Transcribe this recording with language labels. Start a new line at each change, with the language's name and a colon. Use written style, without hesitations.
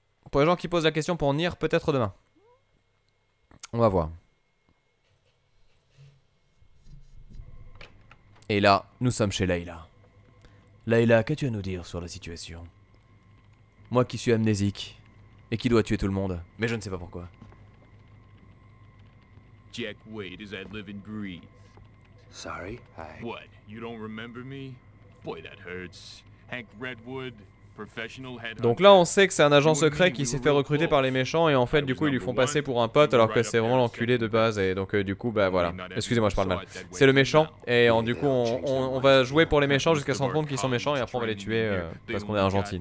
French: Pour les gens qui posent la question pour Nier, peut-être demain. On va voir. Et là, nous sommes chez Layla. Layla, qu'as-tu à nous dire sur la situation? Moi qui suis amnésique et qui dois tuer tout le monde, mais je ne sais pas pourquoi.
English: Jack Wade is at Living Breeze. Sorry, I... What, you don't remember me? Boy, that hurts. Hank Redwood...
French: Donc là, on sait que c'est un agent secret qui s'est fait recruter par les méchants et en fait, du coup, ils lui font passer pour un pote alors que c'est vraiment l'enculé de base. Et donc, du coup, bah voilà. Excusez-moi, je parle mal. C'est le méchant et du coup, on va jouer pour les méchants jusqu'à se rendre compte qu'ils sont méchants et après, on va les tuer parce qu'on est un gentil.